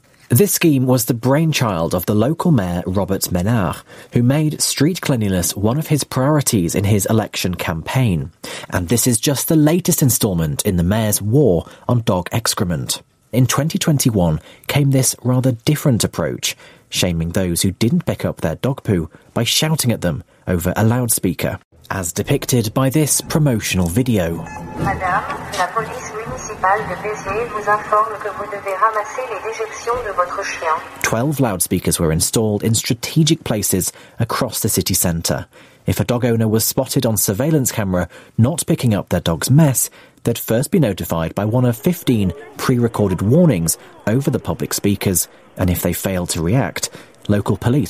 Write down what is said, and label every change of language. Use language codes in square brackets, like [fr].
[en] This scheme was the brainchild of the local mayor, Robert Ménard, who made street cleanliness one of his priorities in his election campaign. And this is just the latest instalment in the mayor's war on dog excrement. In 2021 came this rather different approach, shaming those who didn't pick up their dog poo by shouting at them over a loudspeaker, as depicted by this promotional video. [fr] Madame, la police municipale de Béziers vous informe que vous devez ramasser les déjections de votre chien. [en] 12 loudspeakers were installed in strategic places across the city centre. If a dog owner was spotted on surveillance camera not picking up their dog's mess, they'd first be notified by one of 15 pre-recorded warnings over the public speakers, and if they failed to react, local police would